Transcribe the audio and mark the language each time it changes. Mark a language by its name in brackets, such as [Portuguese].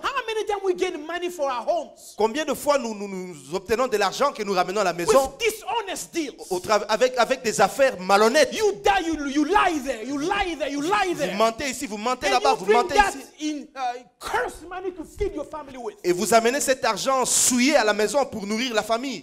[English] How many times we gain money for our homes? [French] Combien de fois nous obtenons de l'argent que nous ramenons à la maison? [English] With dishonest deals. [French] Avec des affaires malhonnêtes. [English] You die, you lie there, you lie there, you lie there. [French] Vous mentez ici, vous mentez [English] And [French] là-bas, vous mentez ici. [English] And you bring that in cursed money to feed your family with. [French] Et vous amenez cet argent souillé à la maison pour nourrir la famille.